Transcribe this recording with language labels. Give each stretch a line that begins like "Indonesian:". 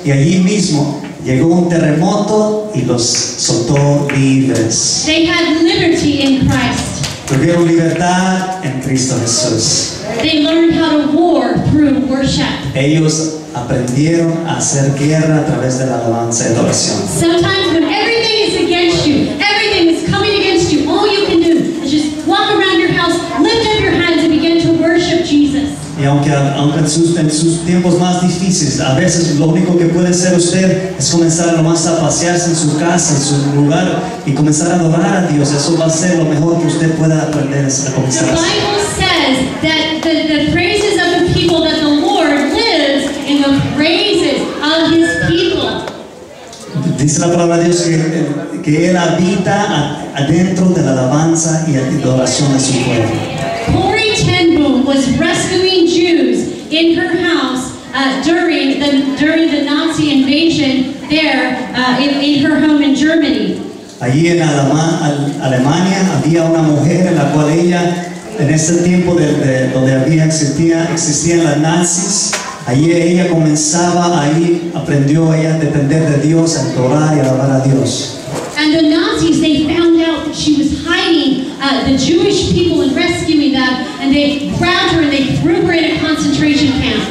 Spanish: Y allí mismo llegó un terremoto y los soltó libres.
English: They had liberty in Christ.
Spanish: Tuvieron libertad en Cristo Jesús.
English: They learned how to war through worship.
Spanish: Ellos aprendieron a hacer guerra a través de la alabanza y la oración.
English: Sometimes when everything is against you, everything is coming against you, all you can do is just walk around your house, lift up your hands and begin to worship Jesus.
Spanish: Y aunque en sus tiempos más difíciles, a veces lo único que puede hacer usted es comenzar nomás a pasearse en su casa, en su lugar, y comenzar a adorar a Dios. Eso va a ser lo mejor que usted pueda aprender a comenzar.
English: The Bible says that the praises of the people, that the Lord lives in the praises of His people.
Spanish: Dice la palabra de Dios que Él habita adentro de la alabanza y la adoración de su pueblo.
English: Was rescuing Jews in her house during the Nazi invasion there in her home in Germany.
Spanish: Allí en Alemania había una mujer en la cual ella en ese tiempo de donde había existían las nazis. Allí ella comenzaba, ahí aprendió ella a depender de Dios, a adorar y alabar a Dios.
English: And the Nazis, they found out that she was hiding the Jewish people and rescuing them, and they grabbed her and they threw her in a concentration camp.